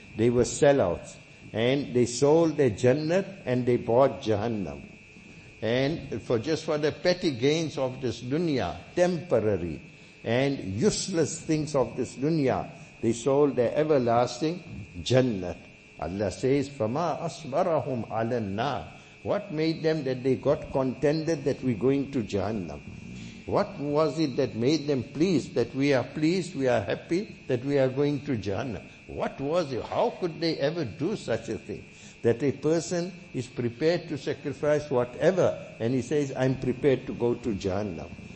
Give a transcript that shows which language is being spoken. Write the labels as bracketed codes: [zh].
[en] They were sellouts. And they sold their Jannah and they bought Jahannam. And for just for the petty gains of this dunya, temporary and useless things of this dunya, they sold their everlasting Jannah. Allah says, [ar] فَمَا أَصْبَرَهُمْ عَلَى النَّارِ. [en] What made them that they got contented that we're going to Jahannam? What was it that made them pleased, that we are pleased, we are happy, that we are going to Jahannam? What was it? How could they ever do such a thing? That a person is prepared to sacrifice whatever, and he says, I'm prepared to go to Jahannam.